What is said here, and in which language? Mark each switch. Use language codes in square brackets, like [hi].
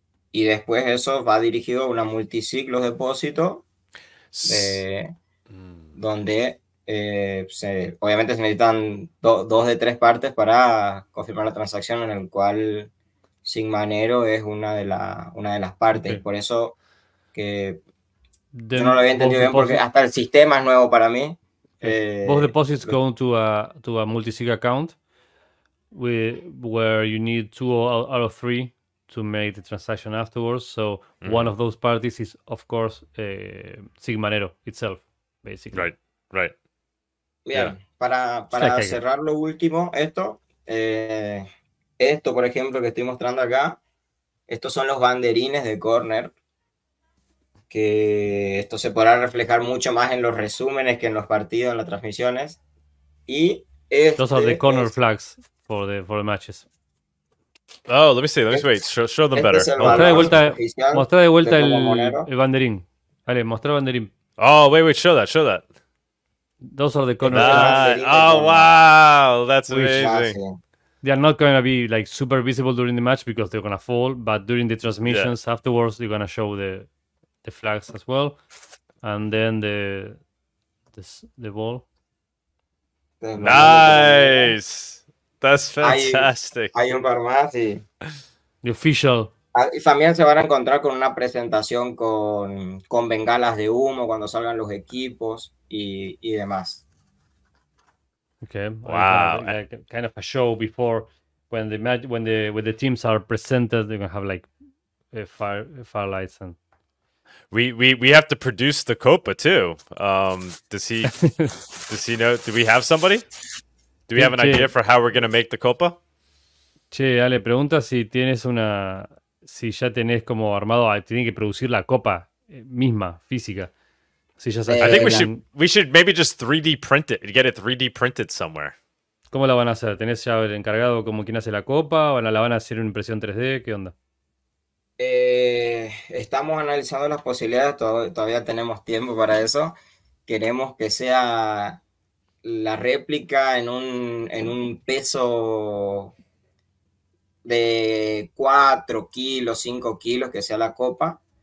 [es] Y después eso va dirigido a una multiciclo depósito donde obviamente se necesitan dos de tres partes para confirmar la transacción en el cual Sigmanero es una de las partes. Okay. Por eso que yo no lo había entendido bien porque hasta el sistema es nuevo para mí. [en] Both deposits go to a multisig account where you need two out of three to make the transaction afterwards. So one of those parties is, of course, Sigmanero itself, basically. Right, right. [es] Bien, para cerrar lo último, esto, por ejemplo, que estoy mostrando acá, estos son los banderines de Corner, que esto se podrá reflejar mucho más en los resúmenes que en los partidos, en las transmisiones. Y [en] those are the Corner flags for the matches. Oh, let me see. Show them better. Mostra de vuelta el banderín. Vale, mostra el banderín. Oh, wait, show that. Those are the corner flags. Oh, wow, that's amazing. They are not going to be like super visible during the match because they're going to fall, but during the transmissions afterwards, they're going to show the flags as well. And then the ball. Nice. That's fantastic. [es] Hay un par más, sí. [en] The official. [es] Y también se van a encontrar con una presentación con bengalas de humo cuando salgan los equipos y demás. [en] Okay. Wow. Kind of a show before when the teams are presented, they're gonna have like fire lights and. We have to produce the Copa too. does he know? Do we have somebody? Do we have an idea for how we're going to make the Copa? [es] Che, Ale, pregunta si tienes una... Si ya tenés como armado... Tienen que producir la Copa misma, física. Si ya [en] I think we should maybe just 3D print it. Get it 3D printed somewhere. [es] ¿Cómo la van a hacer? ¿Tenés ya el encargado como quien hace la Copa? ¿O la van a hacer en impresión 3D? ¿Qué onda? Estamos analizando las posibilidades. Todavía tenemos tiempo para eso. Queremos que sea... la réplica en un peso de 4 kilos, 5 kilos, que sea la copa.